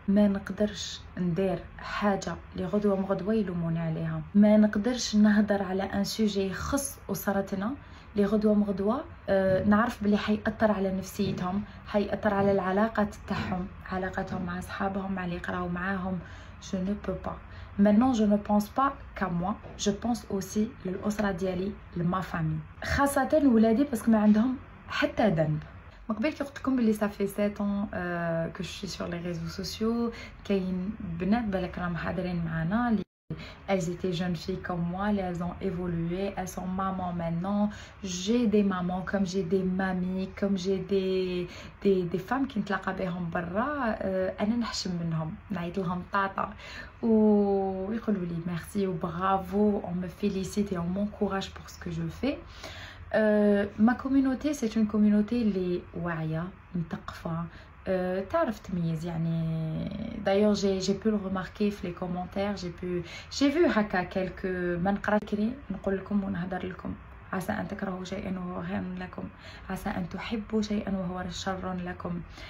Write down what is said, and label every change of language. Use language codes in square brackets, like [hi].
[ar] ما نقدرش ندير حاجة اللي غدوة مغدوة يلوموني عليها، ما نقدرش نهضر على ان سوجي يخص أسرتنا اللي غدوة مغدوة نعرف بلي حيأثر على نفسيتهم، حيأثر على العلاقة تاعهم، علاقتهم مع أصحابهم، مع اللي يقراو معاهم. [fr] Je ne peux pas. Maintenant, je ne pense pas qu'à moi. Je pense aussi [ar] للأسرة ديالي، لما فامي. خاصة ولادي باسكو ما عندهم حتى ذنب. مقبل كي قلت لكم بلي صافي 7 ans كو شي سور لي ريزو سوسيو، كاين بنات بالك راهم حاضرين معانا [fr] لي elles étaient jeunes filles comme moi, elles ont évolué, elles sont mamans maintenant. J'ai des mamans comme j'ai des mamies comme j'ai des femmes qui [ar] نتلاقى بهم برا انا نحشم منهم، نعيط لهم طاطا ويقولوا لي ميرسي وبرافو، [fr] on me félicite et on m'encourage pour ce que je fais. Ma communauté c'est une communauté [ar] اللي واعيه مثقفه تعرف تميز، يعني [fr] d'ailleurs j'ai pu le remarquer [ar] في [fr] les commentaires، [ar] j'ai vu هكا quelques ما نقراكري نقول لكم ونهضر لكم، عسى ان تكرهوا شيئا وهو خير لكم، عسى ان تحبوا شيئا وهو شر لكم.